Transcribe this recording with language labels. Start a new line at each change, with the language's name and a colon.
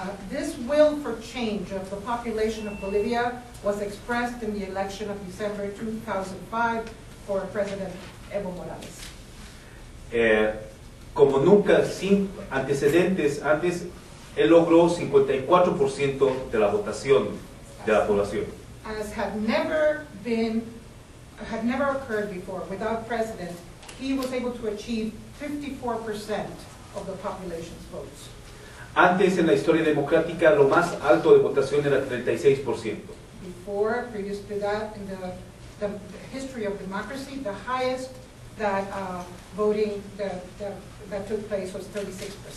English: This will for change of the population of Bolivia was expressed in the election of December 2005 for President Evo Morales.
Spanish: Como nunca sin antecedentes antes, él logró 54% de la votación de la población.
English: As had never been, had never occurred before, without president, he was able to achieve 54% of the population's votes.
Spanish: Antes en la historia democrática, lo más alto de votación era 36%.
English: Before, previous to that, in the history of democracy, the highest that voting that took place was 36%.